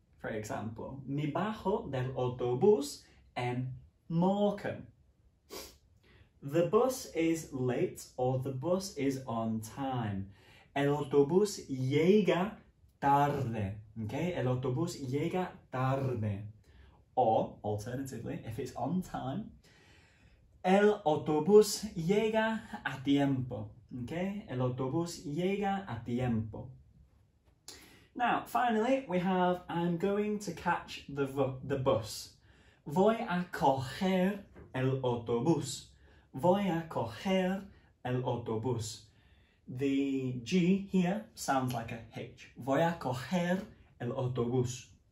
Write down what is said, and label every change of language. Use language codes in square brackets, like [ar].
[en] For example, [es] me bajo del autobús en Morecambe. [en] The bus is late or the bus is on time. [es] El autobús llega tarde. Okay, el autobús llega tarde. [en] Or, alternatively, if it's on time, [es] el autobús llega a tiempo. Okay, el autobús llega a tiempo. [en] Now, finally, we have, I'm going to catch the bus. [es] Voy a coger el autobús. Voy a coger el autobús. [en] The G here sounds like a H. [es] Voy a coger el autobús.